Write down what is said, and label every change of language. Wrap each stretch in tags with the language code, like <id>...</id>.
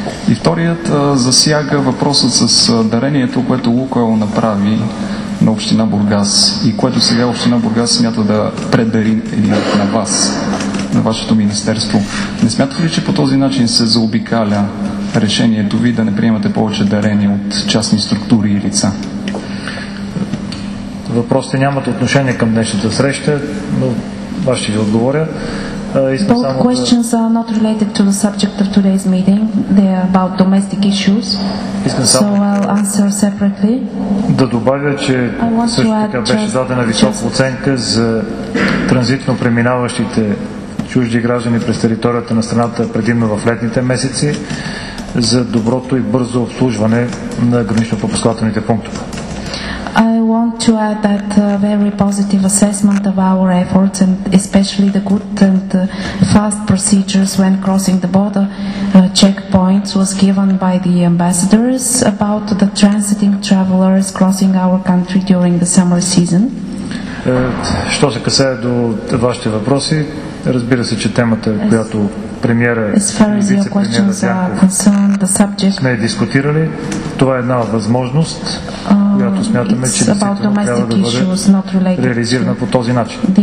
<bg>И вторият засяга въпросът с дарението, което Лукойл направи на община Бургас и което сега община Бургас смята да предари на вас, на вашето министерство. Не смятате ли, че по този начин се заобикаля решението ви да не приемате повече дарения от частни структури и лица? Въпросите нямат отношение към днешната среща, но аз ще ви отговоря.</bg> <en>Both questions are not related to the subject of today's meeting. They are about domestic issues. So I'll answer separately.</en> <bg>Да добавя, че също така беше задена висока оценка за транзитно преминаващите чужди граждани през територията на страната предимно в летните месеци за доброто и бързо обслужване на гранично-пропускателните пунктове.</bg> <en>I want to add that very positive assessment of our efforts and especially the good and fast procedures when crossing the border checkpoints was given by the ambassadors about the transiting travelers crossing our country during the summer season.</en> <bg>Що се касае до вашите въпроси, разбира се, че темата, която премиера и вице-премиера Дянков сме дискутирали, това е една възможност, която смятаме, че трябва да бъде реализирана по този начин.</bg>